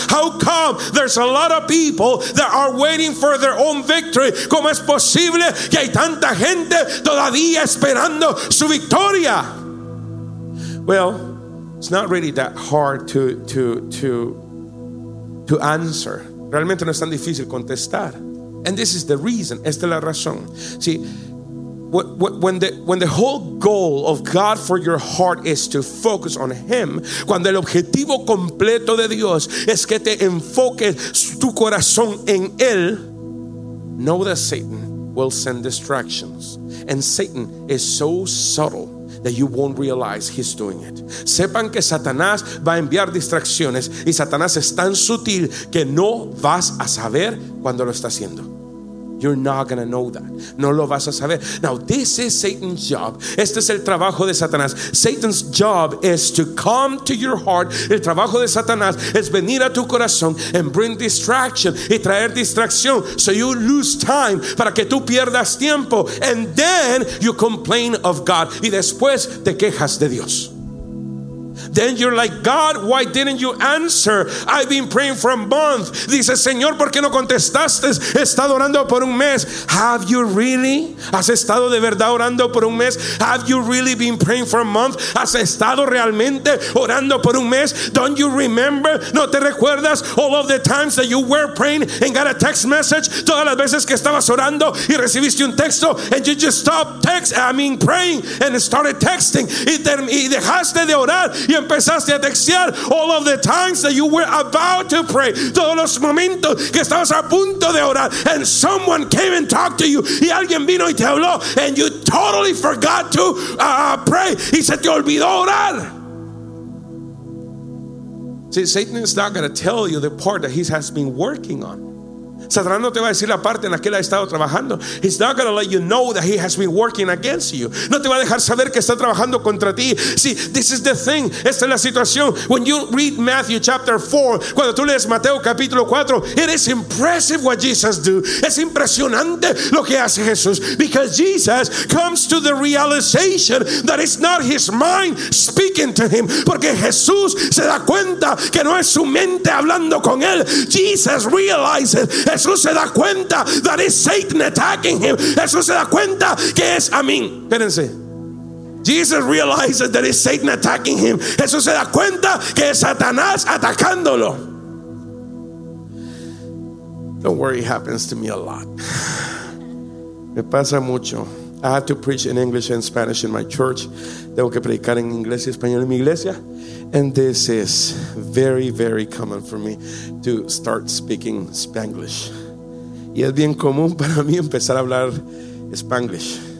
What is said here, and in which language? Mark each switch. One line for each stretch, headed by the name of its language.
English: How come there's a lot of people that are waiting for their own victory?
Spanish: ¿Cómo es posible que hay tanta gente todavía esperando su victoria?
English: Well, it's not really that hard to answer.
Spanish: Realmente no es tan difícil contestar.
English: And this is the reason.
Spanish: Esta es la razón.
English: See, when the whole goal of God for your heart is to focus on Him,
Spanish: cuando el objetivo completo de Dios es que te enfoques tu corazón en Él,
English: know that Satan will send distractions. And Satan is so subtle that you won't realize he's doing it.
Spanish: Sepan que Satanás va a enviar distracciones, y Satanás es tan sutil que no vas a saber cuando lo está haciendo.
English: You're not gonna know that.
Spanish: No lo vas a saber.
English: Now, this is Satan's job.
Spanish: Este es el trabajo de Satanás.
English: Satan's job is to come to your heart.
Spanish: El trabajo de Satanás es venir a tu corazón
English: and bring distraction,
Spanish: y traer distracción,
English: so you lose time,
Spanish: para que tú pierdas tiempo.
English: And then you complain of God.
Spanish: Y después te quejas de Dios.
English: then you're like, God, why didn't you answer? I've been praying for a month.
Spanish: Dice, Señor, ¿por qué no contestaste? He estado orando por un mes.
English: Have you really?
Spanish: ¿Has estado de verdad orando por un mes?
English: Have you really been praying for a month?
Spanish: ¿Has estado realmente orando por un mes?
English: Don't you remember?
Spanish: ¿No te recuerdas
English: all of the times that you were praying and got a text message?
Spanish: Todas las veces que estabas orando y recibiste un texto,
English: and you just stopped praying and started texting.
Spanish: Y dejaste de orar y empezaste a textear.
English: All of the times that you were about to pray,
Spanish: todos los momentos que estabas a punto de orar,
English: and someone came and talked to you,
Spanish: y alguien vino y te habló,
English: and you totally forgot to pray.
Spanish: Y se te olvidó orar.
English: See, Satan is not going to tell you the part that he has been working on.
Spanish: Satanás no te va a decir la parte en la que él ha estado trabajando.
English: He's not going to let you know that he has been working against you.
Spanish: No te va a dejar saber que está trabajando contra ti.
English: See, this is the thing.
Spanish: Esta es la situación.
English: When you read Matthew chapter 4,
Spanish: cuando tú lees Mateo capítulo 4,
English: it is impressive what Jesus do.
Spanish: Es impresionante lo que hace Jesús.
English: Because Jesus comes to the realization that it's not his mind speaking to him.
Spanish: Porque Jesús se da cuenta que no es su mente hablando con él.
English: Jesus realizes.
Spanish: Jesús se da cuenta
English: that is Satan attacking him.
Spanish: Jesús se da cuenta que es, espérense.
English: Jesus realizes that is Satan attacking him.
Spanish: Jesús se da cuenta que es Satanás atacándolo.
English: Don't worry, it happens to me a lot.
Spanish: Me pasa mucho.
English: I have to preach in English and Spanish in my church.
Spanish: Tengo que predicar en inglés y español en mi iglesia.
English: And this is very, very common for me to start speaking Spanglish.
Spanish: Y es bien común para mí empezar a hablar Spanglish.